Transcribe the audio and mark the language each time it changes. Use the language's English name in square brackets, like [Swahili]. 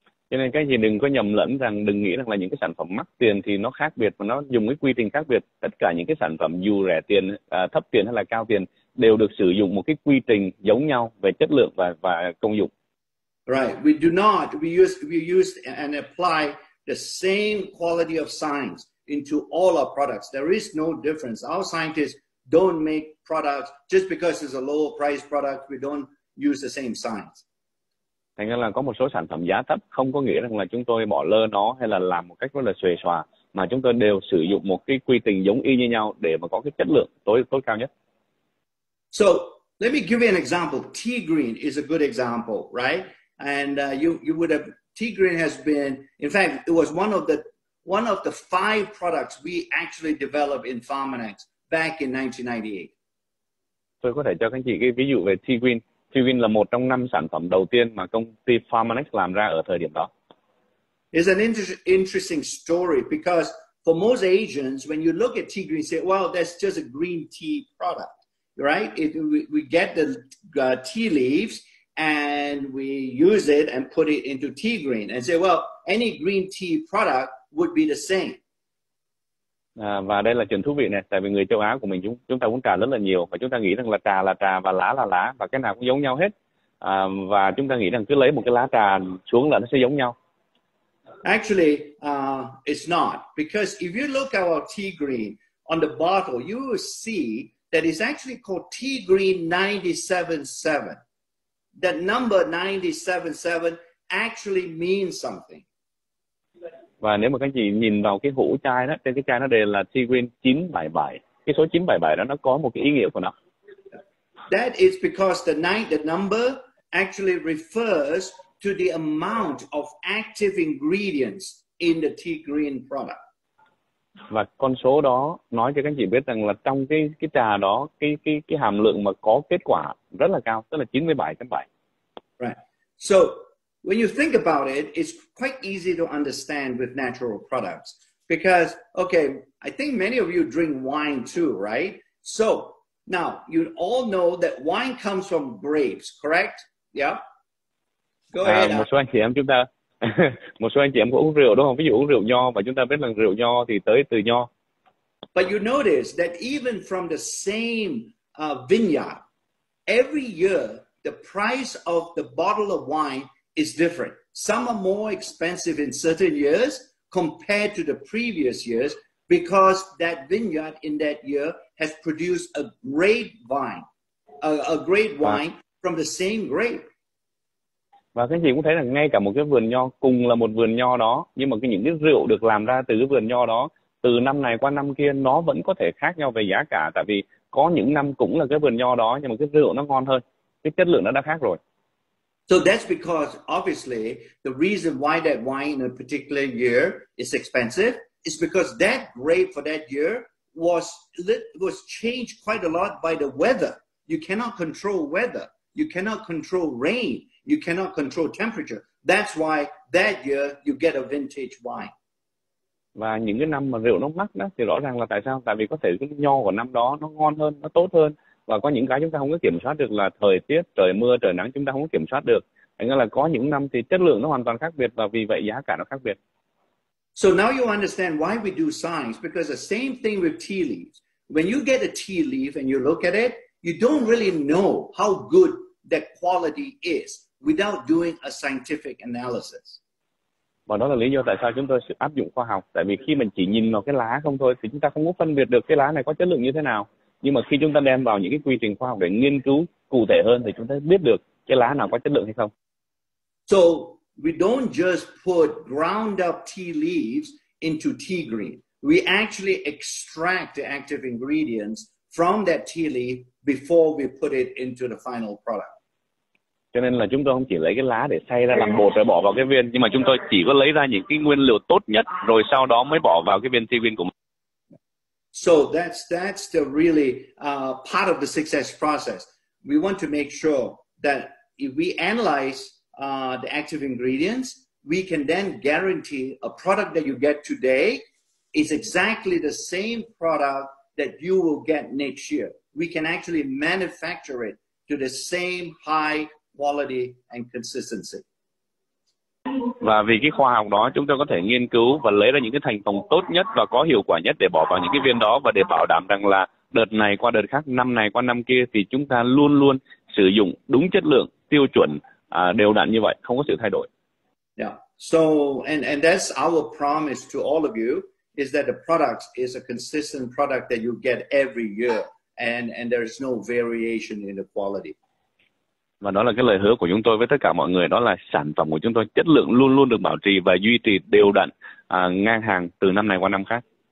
[Vietnamese] Cho nên các anh chị đừng có nhầm lẫn rằng, đừng nghĩ rằng là những cái sản phẩm mắc tiền thì nó khác biệt và nó dùng cái quy trình khác biệt. Tất cả những cái sản phẩm dù rẻ tiền, thấp tiền hay là cao tiền đều được sử dụng một cái quy trình giống nhau về chất lượng và công dụng. [English] Right, we do not, we use and apply the same quality of science into all our products. There is no difference. Our scientists don't make products just because it's a lower price product. We don't use the same science. [Vietnamese] Thành ra là có một số sản phẩm giá thấp không có nghĩa rằng là chúng tôi bỏ lơ nó hay là làm một cách rất là xuề xòa, mà chúng tôi đều sử dụng một cái quy trình giống y như nhau để mà có cái chất lượng tối cao nhất. [English] So, let me give you an example. Tea green is a good example, right? And you would have, tea green has been, in fact, it was one of the five products we actually developed in Pharmanex back in 1998. [Vietnamese] Tôi có thể cho các anh chị cái ví dụ về tea green. Tivin là một trong năm sản phẩm đầu tiên mà công ty Pharmanex làm ra ở thời điểm đó. [English] It's an interesting story because for most Asians, when you look at tea green, you say, well, that's just a green tea product, right? We get the tea leaves and we use it and put it into tea green and say, well, any green tea product would be the same. [Vietnamese] Và đây là chuyện thú vị này, tại vì người châu Á của mình chúng ta uống trà rất là nhiều và chúng ta nghĩ rằng là trà và lá là lá và cái nào cũng giống nhau hết. Và chúng ta nghĩ rằng cứ lấy một cái lá trà xuống là nó sẽ giống nhau. [English] Actually, it's not. Because if you look at our tea green on the bottle, you will see that it's actually called tea green 97.7. That number 97.7 actually means something. [Vietnamese] Và nếu mà các chị nhìn vào cái hũ chai đó, trên cái chai nó đề là Tea Green 977. Cái số 977 đó nó có một cái ý nghĩa của nó. [English] That is because the number actually refers to the amount of active ingredients in the Tea Green product. [Vietnamese] Và con số đó nói cho các chị biết rằng là trong cái trà đó, cái hàm lượng mà có kết quả rất là cao, tức là 97.7. [English] Right. So when you think about it, it's quite easy to understand with natural products because, okay, I think many of you drink wine too, right? So now you all know that wine comes from grapes, correct? Yeah. Go ahead. [Vietnamese] Một số anh chị em chúng ta, một số anh chị em cũng uống rượu đúng không? Ví dụ uống rượu nho và chúng ta biết rằng rượu nho thì tới từ nho. [English] But you notice that even from the same vineyard, every year the price of the bottle of wine is different. Some are more expensive in certain years compared to the previous years because that vineyard in that year has produced a great wine, a great wine from the same grape. [Vietnamese] Và các anh chị cũng thấy là ngay cả một cái vườn nho cùng là một vườn nho đó, nhưng mà cái những cái rượu được làm ra từ cái vườn nho đó từ năm này qua năm kia nó vẫn có thể khác nhau về giá cả, tại vì có những năm cũng là cái vườn nho đó nhưng mà cái rượu nó ngon hơn, cái chất lượng nó đã khác rồi. [English] So that's because obviously the reason why that wine in a particular year is expensive is because that grape for that year was changed quite a lot by the weather. You cannot control weather. You cannot control rain. You cannot control temperature. That's why that year you get a vintage wine. [Vietnamese] Và những cái năm mà rượu nó mắc đó thì rõ ràng là tại sao? Tại vì có thể cái nho của năm đó nó ngon hơn, nó tốt hơn. Và có những cái chúng ta không có kiểm soát được là thời tiết, trời mưa, trời nắng chúng ta không có kiểm soát được. Nghĩa là có những năm thì chất lượng nó hoàn toàn khác biệt và vì vậy giá cả nó khác biệt. [English] So now you understand why we do signs, because the same thing with tea leaves. When you get a tea leaf and you look at it, you don't really know how good that quality is without doing a scientific analysis. [Vietnamese] Và đó là lý do tại sao chúng tôi sẽ áp dụng khoa học. Tại vì khi mình chỉ nhìn vào cái lá không thôi thì chúng ta không có phân biệt được cái lá này có chất lượng như thế nào. Nhưng mà khi chúng ta đem vào những cái quy trình khoa học để nghiên cứu cụ thể hơn thì chúng ta biết được cái lá nào có chất lượng hay không. [English] So we don't just put ground up tea leaves into tea green. We actually extract the active ingredients from that tea leaf before we put it into the final product. [Vietnamese] Cho nên là chúng tôi không chỉ lấy cái lá để xay ra làm bột rồi bỏ vào cái viên, nhưng mà chúng tôi chỉ có lấy ra những cái nguyên liệu tốt nhất rồi sau đó mới bỏ vào cái viên tea green của mình. [English] So that's the really part of the success process. We want to make sure that if we analyze the active ingredients, we can then guarantee a product that you get today is exactly the same product that you will get next year. We can actually manufacture it to the same high quality and consistency. [Vietnamese] Và vì cái khoa học đó, chúng tôi có thể nghiên cứu và lấy ra những cái thành phần tốt nhất và có hiệu quả nhất để bỏ vào những cái viên đó và để bảo đảm rằng là đợt này qua đợt khác, năm này qua năm kia thì chúng ta luôn luôn sử dụng đúng chất lượng, tiêu chuẩn đều đặn như vậy, không có sự thay đổi. [English] Yeah. So and that's our promise to all of you is that the product is a consistent product that you get every year and there is no variation in the quality. [Vietnamese] Và đó là cái lời hứa của chúng tôi với tất cả mọi người, đó là sản phẩm của chúng tôi chất lượng luôn luôn được bảo trì và duy trì đều đặn ngang hàng từ năm này qua năm khác.